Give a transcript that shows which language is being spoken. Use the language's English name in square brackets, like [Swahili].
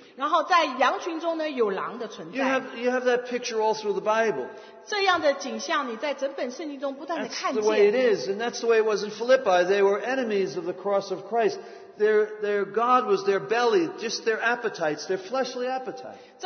[Chinese] 然后在羊群中呢，有狼的存在。 [English] You have that picture all through the Bible. [Chinese] 这样的景象你在整本圣经中不断地看见。 [English] That's the way it is, and that's the way it was in Philippi. They were enemies of the cross of Christ. Their God was their belly, just their appetites, their fleshly appetite.